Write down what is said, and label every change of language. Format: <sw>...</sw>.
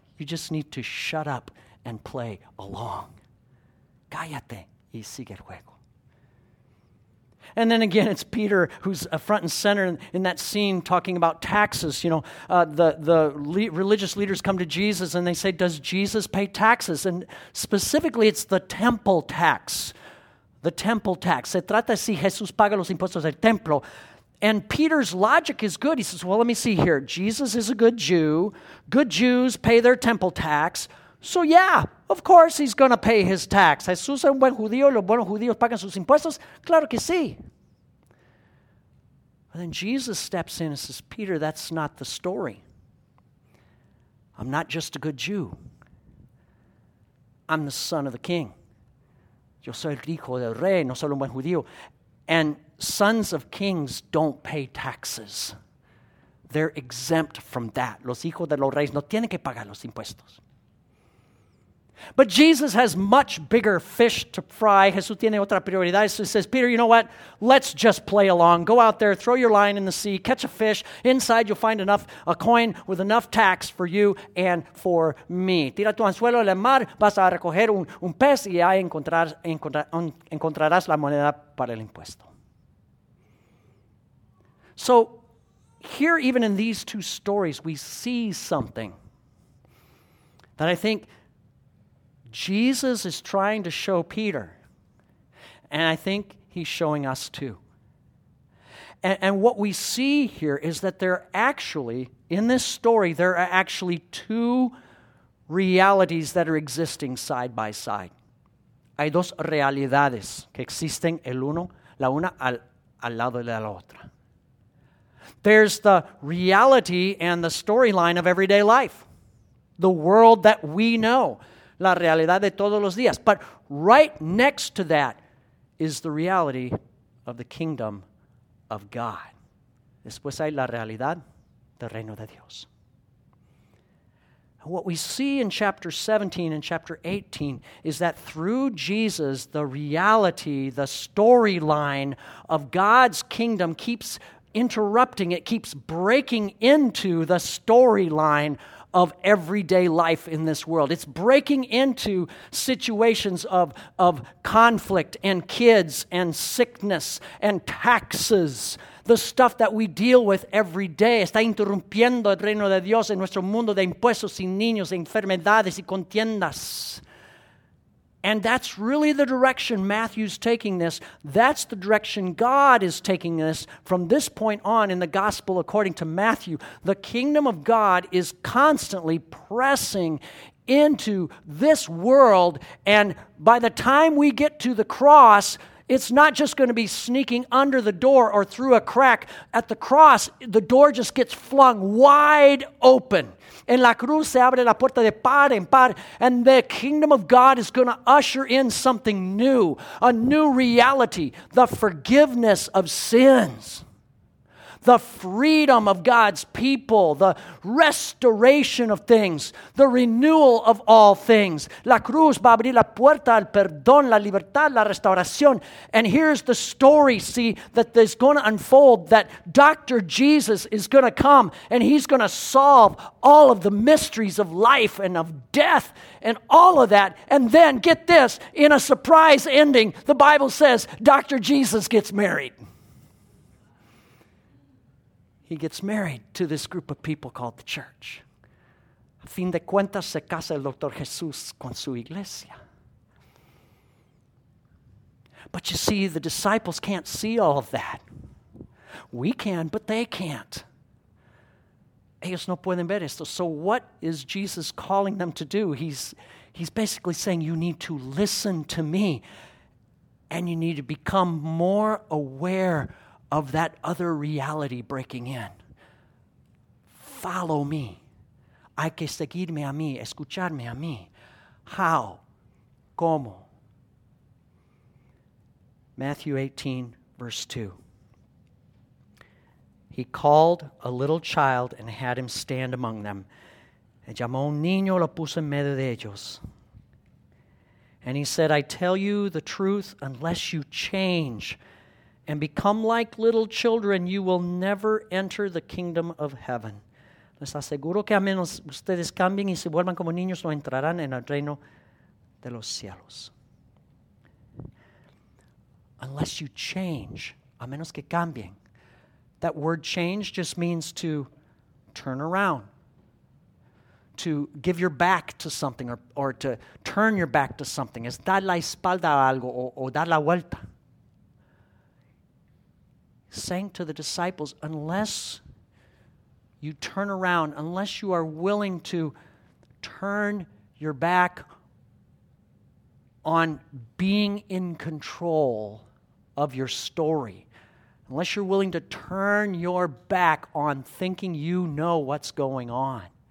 <en>You just need to shut up and play along.</en> <es>Cállate y sigue el juego.</es> <en>And then again, it's Peter who's front and center in that scene talking about taxes. You know, the religious leaders come to Jesus and they say, does Jesus pay taxes? And specifically, it's the temple tax. The temple tax.</en> <es>Se trata si Jesús paga los impuestos del templo.</es> <en>And Peter's logic is good. He says, well, let me see here. Jesus is a good Jew. Good Jews pay their temple tax. So yeah, of course he's going to pay his tax.</en> <es>Jesús es un buen judío, los buenos judíos pagan sus impuestos. Claro que sí.</es> <en>And then Jesus steps in and says, Peter, that's not the story. I'm not just a good Jew. I'm the son of the king.</en> <es>Yo soy el hijo del rey, no solo un buen judío.</es> <en>And sons of kings don't pay taxes. They're exempt from that.</en> <es>Los hijos de los reyes no tienen que pagar los impuestos.</es> <en>But Jesus has much bigger fish to fry.</en> <es>Jesús tiene otra prioridad.</es> <en>So he says, Peter, you know what? Let's just play along. Go out there, throw your line in the sea, catch a fish. Inside you'll find enough, a coin with enough tax for you and for me.</en> <es>Tira tu anzuelo al mar, vas a recoger un pez y ahí encontrarás la moneda para el impuesto.</es> <en>So here, even in these two stories, we see something that I think Jesus is trying to show Peter, and I think he's showing us too. And what we see here is that there are actually, in this story, there are actually two realities that are existing side by side.</en> <es>Hay dos realidades que existen el uno, la una al lado de la otra.</es> <en>There's the reality and the storyline of everyday life, the world that we know.</en> <es>La realidad de todos los días.</es> <en>But right next to that is the reality of the kingdom of God.</en> <es>Después hay la realidad del reino de Dios.</es> <en>What we see in chapter 17 and chapter 18 is that through Jesus, the reality, the storyline of God's kingdom keeps interrupting, it keeps breaking into the storyline of everyday life in this world. It's breaking into situations of conflict and kids and sickness and taxes, the stuff that we deal with every day.</en> <es>Está interrumpiendo el reino de Dios en nuestro mundo de impuestos y niños, enfermedades y contiendas.</es> <en>And that's really the direction Matthew's taking this. That's the direction God is taking this from this point on in the gospel according to Matthew. The kingdom of God is constantly pressing into this world. And by the time we get to the cross, it's not just going to be sneaking under the door or through a crack. At the cross, the door just gets flung wide open.</en> <es>En la cruz se abre la puerta de par en par,</es> <en>and the kingdom of God is going to usher in something new, a new reality, the forgiveness of sins, the freedom of God's people, the restoration of things, the renewal of all things.</en> <es>La cruz va a abrir la puerta al perdón, la libertad, la restauración.</es> <en>And here's the story, see, that is going to unfold, that Dr. Jesus is going to come and he's going to solve all of the mysteries of life and of death and all of that. And then, get this, in a surprise ending, the Bible says Dr. Jesus gets married. He gets married to this group of people called the church.</en> <es>A fin de cuentas, se casa el Dr. Jesús con su iglesia.</es> <en>But you see, the disciples can't see all of that. We can, but they can't.</en> <es>Ellos no pueden ver esto.</es> <en>So what is Jesus calling them to do? He's basically saying, you need to listen to me, and you need to become more aware of that other reality breaking in. Follow me.</en> <es>Hay que seguirme a mí, escucharme a mí.</es> <en>How?</en> <es>¿Cómo?</es> <en>Matthew 18, verse 2. He called a little child and had him stand among them.</en> <es>Y llamó un niño, lo puso en medio de ellos.</es> <en>And he said, I tell you the truth, unless you change and become like little children, you will never enter the kingdom of heaven.</en> <es>Les aseguro que a menos ustedes cambien y se vuelvan como niños, no entrarán en el reino de los cielos.</es> <en>Unless you change,</en> <es>a menos que cambien.</es> <en>That word change just means to turn around, to give your back to something, or to turn your back to something.</en> <es>Es dar la espalda a algo o dar la vuelta.</es> <en>Saying to the disciples, unless you turn around, unless you are willing to turn your back on being in control of your story, unless you're willing to turn your back on thinking you know what's going on,</en>